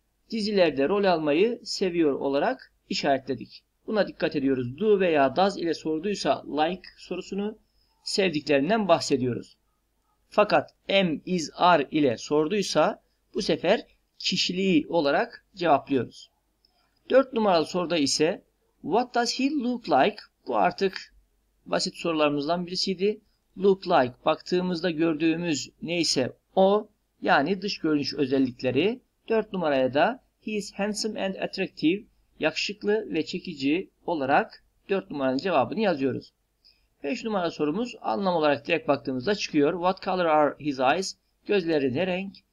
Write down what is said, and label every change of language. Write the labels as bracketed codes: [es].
[tr] Dizilerde rol almayı seviyor olarak işaretledik. Buna dikkat ediyoruz. Do veya does ile sorduysa like sorusunu, sevdiklerinden bahsediyoruz. Fakat am, is, are ile sorduysa bu sefer kişiliği olarak cevaplıyoruz. 4 numaralı soruda ise [en] what does he look like? [tr] Bu artık basit sorularımızdan birisiydi. Look like, baktığımızda gördüğümüz neyse o, yani dış görünüş özellikleri. 4 numaraya da [en] he is handsome and attractive, [tr] yakışıklı ve çekici olarak 4 numaranın cevabını yazıyoruz. 5 numaralı sorumuz anlam olarak direkt baktığımızda çıkıyor. [en] What color are his eyes? [tr] Gözleri ne renk?